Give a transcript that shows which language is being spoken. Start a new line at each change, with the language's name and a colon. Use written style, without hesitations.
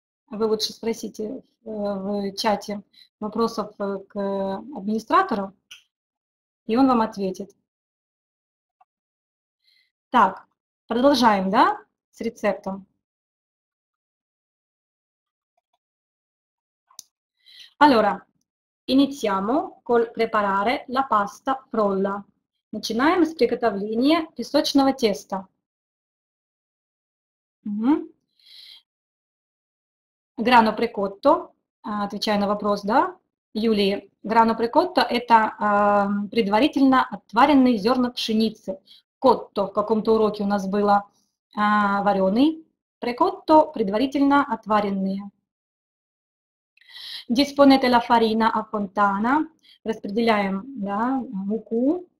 Russian: Вы лучше спросите в чате вопросов к администратору, и он вам ответит. Так, продолжаем, да, с рецептом.
Italian: Allora, iniziamo col preparare la pasta frolla.
Russian: Начинаем с приготовления песочного теста. Угу. Grano precotto, отвечая на вопрос, да, Юлии. Grano precotto – это предварительно отваренные зерна пшеницы. Котто в каком-то уроке у нас было вареный. Precotto – предварительно отваренные.
Italian: Disponete la farina a fontana,
Russian: распределяем, да, муку.